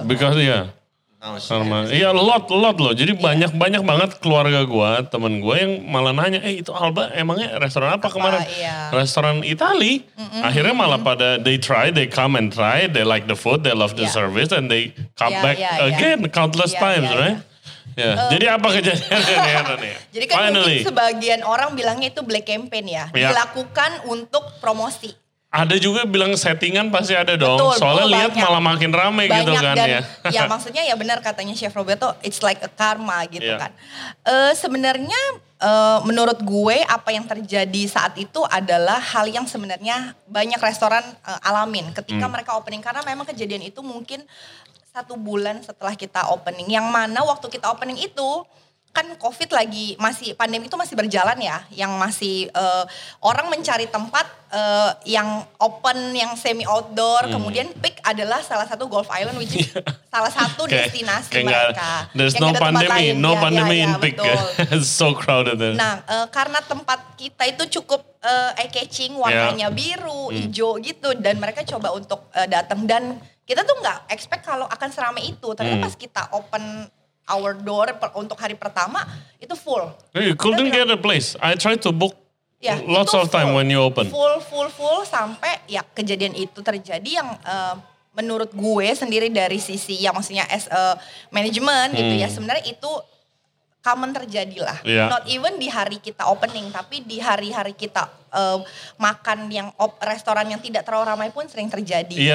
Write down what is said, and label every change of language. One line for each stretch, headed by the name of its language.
English: Because karma.
Indonesian: Iya, lot loh. Jadi banyak banget keluarga gue, teman gue yang malah nanya, itu Alba emangnya restoran apa kemarin? Restoran Itali. Mm-hmm. Akhirnya malah pada
English: they come and try, they like the food, they love the service, and they come back again countless times, right? Yeah.
Indonesian: Jadi apa kejadiannya? Jadi kan mungkin sebagian orang bilangnya itu black campaign ya. Yeah. Dilakukan untuk promosi. Ada juga bilang settingan pasti ada dong. Betul, soalnya lihat malah makin rame banyak, gitu kan. Dan, ya. Ya maksudnya ya benar katanya Chef Roberto,
English: it's like a karma
Indonesian: gitu kan. Sebenarnya menurut gue apa yang terjadi saat itu adalah hal yang sebenarnya banyak restoran alamin. Ketika mereka opening, karena memang kejadian itu mungkin 1 bulan setelah kita opening, yang mana waktu kita opening itu kan COVID lagi masih, pandemi itu masih berjalan ya, yang masih orang mencari tempat yang open, yang semi outdoor, kemudian Peak adalah salah satu Gulf Island,
English: which is
Indonesian: salah satu destinasi mereka.
English: There's no pandemic, in Peak. It's so crowded. There.
Indonesian: Nah, karena tempat kita itu cukup eye-catching, warnanya biru, hijau gitu, dan mereka coba untuk datang dan kita tuh gak expect kalau akan seramai itu. Ternyata pas kita
English: open our door
Indonesian: untuk hari pertama, itu full.
English: You couldn't get a place. I tried to book lots of time when you open. Full.
Indonesian: Sampai ya kejadian itu terjadi yang menurut gue sendiri dari sisi, ya maksudnya
English: as a management
Indonesian: gitu ya. Sebenarnya itu common terjadilah.
English: Yeah. Not even
Indonesian: di hari kita opening, tapi di hari-hari kita makan yang restoran yang tidak terlalu ramai pun sering terjadi.